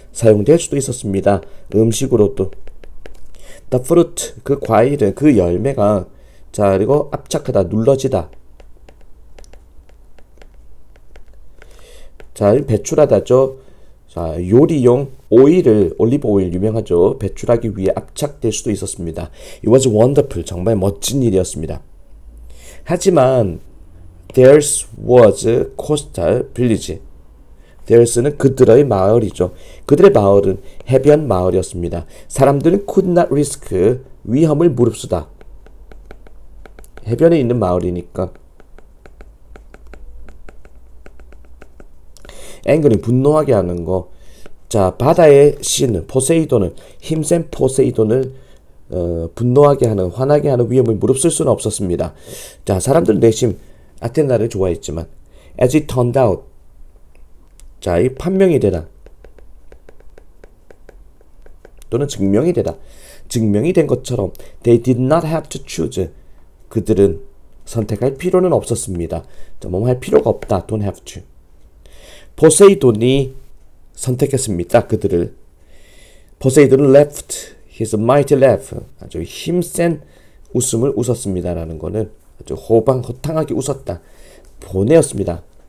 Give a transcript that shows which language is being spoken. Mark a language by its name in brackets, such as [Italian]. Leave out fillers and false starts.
[Korean] 사용될 수도 있었습니다. 음식으로도. [English] The fruit, [Korean] 그 과일은, 그 열매가, 자, 그리고 압착하다, 눌러지다. 자, 배출하다죠. 자, 요리용 오일을, 올리브 오일 유명하죠. 배출하기 위해 압착될 수도 있었습니다. [English] It was wonderful. [Korean] 정말 멋진 일이었습니다. 하지만, [English] theirs was coastal village. [Korean] theirs는 그들의 마을이죠. 그들의 마을은 해변 마을이었습니다. 사람들은 [English] could not risk [Korean] 위험을 무릅쓰다. 해변에 있는 마을이니까. angry는 분노하게 하는 거. 자, 바다의 신, 포세이돈은, 힘센 포세이돈을, 분노하게 하는, 화나게 하는 위험을 무릅쓸 수는 없었습니다. 자, 사람들은 내심, 아테나를 좋아했지만, [English] as it turned out, [Korean] 자, 이 판명이 되다. 또는 증명이 되다. 증명이 된 것처럼, [English] they did not have to choose. [Korean] 그들은 선택할 필요는 없었습니다. 자, 뭐할 필요가 없다. [English] don't have to. [Korean] 포세이돈이, 선택했습니다. 그들을 포세이돈은 [English] left his mighty laugh [Korean] 아주 힘센 웃음을 웃었습니다라는 거는 아주 호방호탕하게 웃었다 보내었습니다.